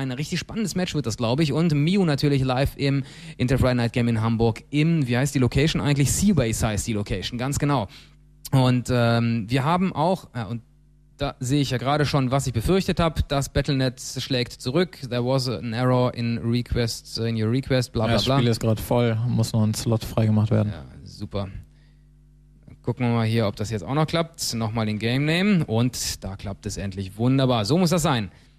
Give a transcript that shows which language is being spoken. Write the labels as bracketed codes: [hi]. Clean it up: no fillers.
[de] Ein richtig spannendes Match wird das, glaube ich. Und Miu natürlich live im Intel Friday Night Game in Hamburg im, wie heißt die Location eigentlich? Seawayside. Ist die Location, ganz genau. Und wir haben auch, und da sehe ich ja gerade schon, was ich befürchtet habe, das Battle.net schlägt zurück. [en] There was an error in request, in your request, bla bla bla. [de] Das Spiel ist gerade voll, muss noch ein Slot freigemacht werden. Ja, super. Gucken wir mal hier, ob das jetzt auch noch klappt. Nochmal den Game Name und da klappt es endlich wunderbar. So muss das sein.